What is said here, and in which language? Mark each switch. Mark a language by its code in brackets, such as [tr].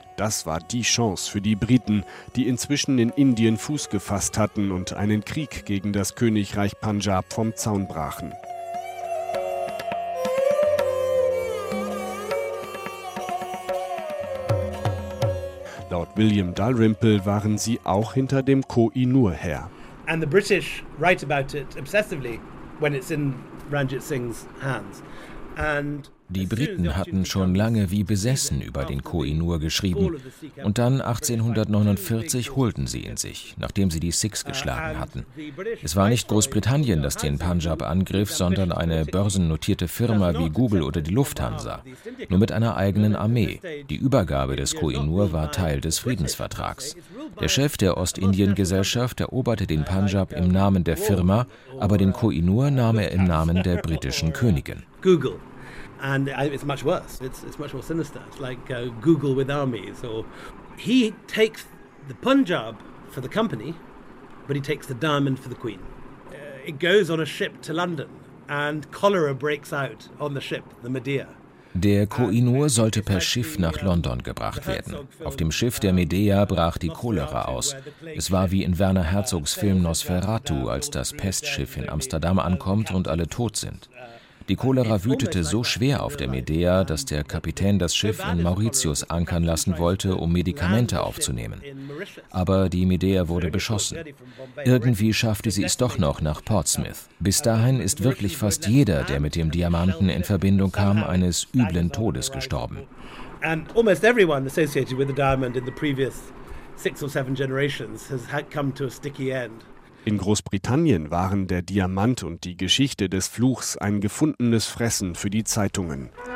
[de] Das war die Chance für die Briten, die inzwischen in Indien Fuß gefasst hatten und einen Krieg gegen das Königreich Punjab vom Zaun brachen. Laut William Dalrymple waren sie auch hinter dem Koh-i-Noor her. [en] And the British write about it obsessively when it's in Ranjit Singh's hands. And [de] die Briten hatten schon lange wie besessen über den Koh-i-Noor geschrieben. Und dann 1849 holten sie ihn sich, nachdem sie die Sikhs geschlagen hatten. Es war nicht Großbritannien, das den Punjab angriff, sondern eine börsennotierte Firma wie Google oder die Lufthansa. Nur mit einer eigenen Armee. Die Übergabe des Koh-i-Noor war Teil des Friedensvertrags. Der Chef der Ostindien-Gesellschaft eroberte den Punjab im Namen der Firma, aber den Koh-i-Noor nahm er im Namen der britischen Königin. [en] Google. And it's much worse. It's much more sinister. It's like Google with armies. Or he takes the Punjab for the company, but he takes the diamond for the queen. It goes on a ship to London, and cholera breaks out on the ship, the Medea. [de] Der Koh-i-Noor sollte per Schiff nach London gebracht werden. Auf dem Schiff der Medea brach die Cholera aus. Es war wie in Werner Herzogs Film Nosferatu, als das Pestschiff in Amsterdam ankommt und alle tot sind. Die Cholera wütete so schwer auf der Medea, dass der Kapitän das Schiff in Mauritius ankern lassen wollte, um Medikamente aufzunehmen. Aber die Medea wurde beschossen. Irgendwie schaffte sie es doch noch nach Portsmouth. Bis dahin ist wirklich fast jeder, der mit dem Diamanten in Verbindung kam, eines üblen Todes gestorben. [en] And almost everyone associated with the diamond in the previous 6 or 7 generations has come to a sticky end. [de] In Großbritannien waren der Diamant und die Geschichte des Fluchs ein gefundenes Fressen für die Zeitungen.